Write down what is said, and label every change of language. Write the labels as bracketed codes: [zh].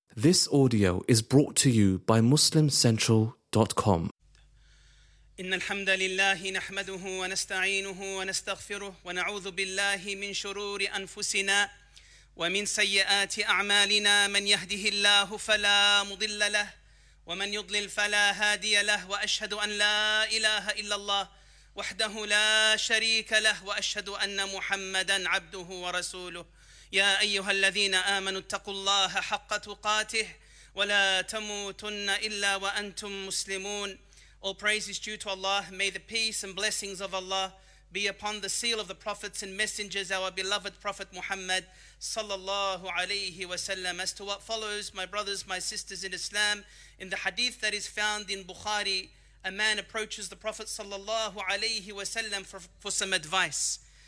[en] This audio is brought to you by MuslimCentral.com. [ar] إن الحمد لله نحمده ونستعينه ونستغفره ونعوذ بالله من شرور أنفسنا ومن سيئات أعمالنا من يهده الله فلا مضل له ومن يضلل فلا هادي له وأشهد أن لا إله إلا الله وحده لا شريك له وأشهد أن محمدا عبده ورسوله يا أيها الذين آمنوا اتقوا الله حق تقاته ولا تموتن إلا وأنتم مسلمون. [en] All praise is due to Allah. May the peace and blessings of Allah be upon the seal of the prophets and messengers, our beloved Prophet Muhammad sallallahu alayhi wa sallam. As to what follows, my brothers, my sisters in Islam, in the hadith that is found in Bukhari, a man approaches the Prophet sallallahu alayhi wa sallam for some advice.